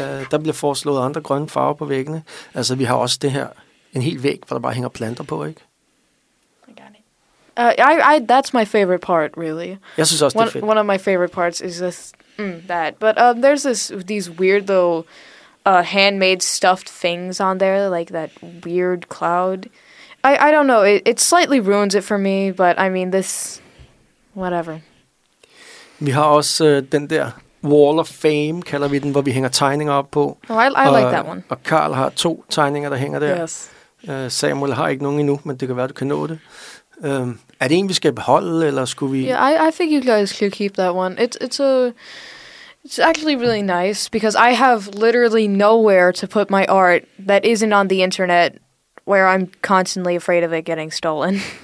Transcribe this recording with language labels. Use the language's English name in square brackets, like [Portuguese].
[Danish] Der bliver foreslået andre grønne farver på væggene. Altså, vi har også det her, en hel væg, hvor der bare hænger planter på, ikke? [English] I got it. That's my favorite part, really. [Danish] Jeg synes også, det er fedt. [English] One of my favorite parts is this, that. But there's these weird little handmade stuffed things on there, like that weird cloud. I don't know, it slightly ruins it for me, but I mean, this, whatever. [Danish] Vi har også den der... Wall of Fame kalder vi den, hvor vi hænger tegninger op på. [English] Oh, I like that one. [Danish] Og Carl har to tegninger, der hænger der. [English] Yes. [Danish] Samuel har ikke nogen endnu, men det kan være, du kan nå det. Er det en, vi skal beholde, eller skulle vi... [English] Yeah, I think you guys could keep that one. It's actually really nice, because I have literally nowhere to put my art that isn't on the internet, where I'm constantly afraid of it getting stolen.